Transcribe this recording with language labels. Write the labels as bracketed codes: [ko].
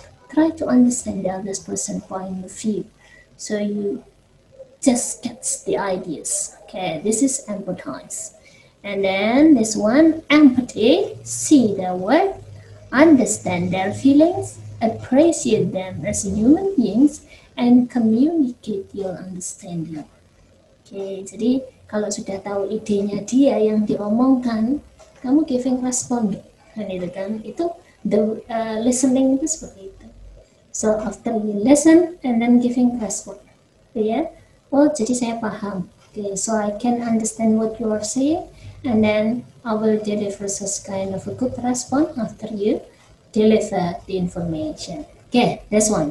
[en] Try to understand the other person's point of view. So you just get the ideas. Okay, this is empathize. And then this one, empathy, see their work, understand their feelings, appreciate them as human beings, and communicate your understanding. [id] Okay, jadi kalau sudah tahu idenya dia yang diomongkan, kamu giving response, kan itu kan? Itu the listening itu seperti itu. [en] So after you listen and then giving response, yeah. Well, jadi saya paham. Okay, so I can understand what you are saying, and then I will deliver such kind of a good response after you deliver the information. Okay, this one.